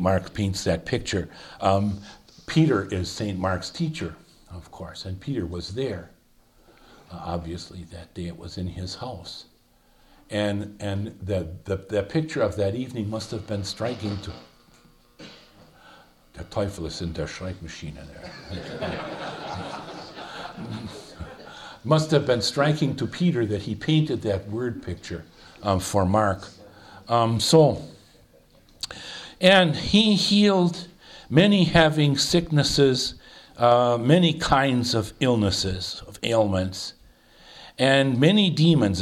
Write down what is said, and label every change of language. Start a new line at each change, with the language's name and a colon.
English: Mark paints that picture. Peter is St. Mark's teacher, of course, and Peter was there, obviously, that day. It was in his house. And the picture of that evening must have been striking to...
German: Der Teufel ist in der Schreibmaschine there.
English: Must have been striking to Peter that he painted that word picture for Mark. And he healed many having sicknesses, many kinds of illnesses, of ailments, and many demons.